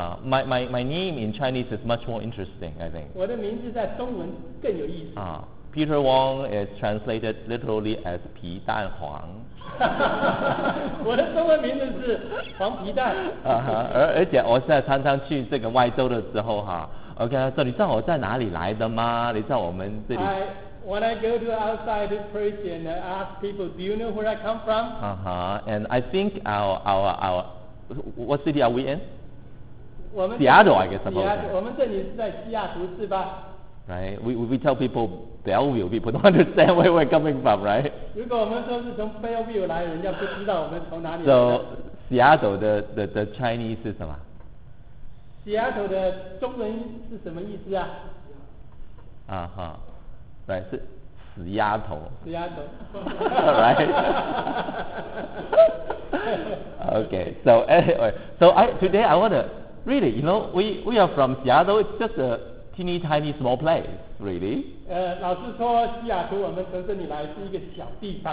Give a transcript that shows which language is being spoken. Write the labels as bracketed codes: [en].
[en] My name in Chinese is much more interesting, I think. [zh] 我的名字在中文更有意思。 [en] Peter Wong is translated literally as [zh] 皮蛋黄。我的中文名字是黄皮蛋。而且我现在常常去这个外州的时候哈。 OK， 所以你知道我在哪里来的吗？你知道我们这里 [en] When I go to outside this place and ask people, do you know where I come from? And I think our what city are we in? [zh] 我们 [en] Seattle, I guess. Seattle, [zh] 我们这里是在西雅图是吧？ [en] Right, we tell people Bellevue, people don't understand where we're coming from, right? [zh] 如果我们说是从 Bellevue 来，人家不知道我们从哪里来。 So Seattle 的 Chinese 是什么？ Seattle 的中文是什么意思啊？啊哈，来是死丫头。死丫头。 [en] Right. Okay. So anyway, today I want to really, you know, we are from Seattle. It's just a teeny tiny small place, really. [zh] 老师说西雅图，我们从这里来是一个小地方。